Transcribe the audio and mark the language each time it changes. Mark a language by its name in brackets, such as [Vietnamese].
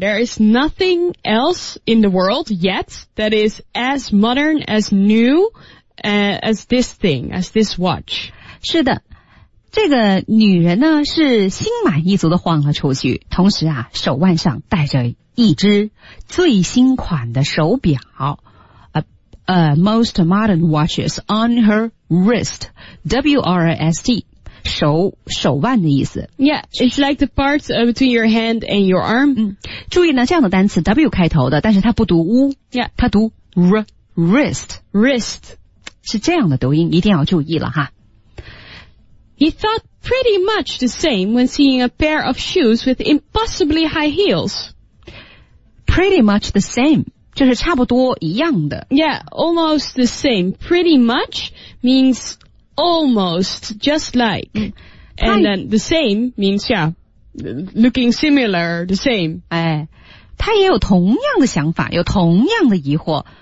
[English] There is nothing else in the world yet that is as modern, as new, as this thing, as this watch. [Chinese] 是的，这个女人呢是心满意足地晃了出去，同时啊手腕上戴着一只最新款的手表。 [English] Most modern watches on her wrist. [Chinese] W-R-I-S-T. 手腕的意思。 [English] Yeah, it's like the part between your hand and your arm. [Chinese] 注意呢，这样的单词 W 开头的，但是它不读 w， [English] yeah， [Chinese] 它读 wrist， 是这样的读音，一定要注意了哈。 [English] He thought pretty much the same when seeing a pair of shoes with impossibly high heels. Pretty much the same. [Chinese] 就是差不多一样的。 [English] Yeah, almost the same. Pretty much means almost, just like.、And then the same means, yeah, looking similar, the same. [Chinese] 哎，他也有同样的想法，有同样的疑惑。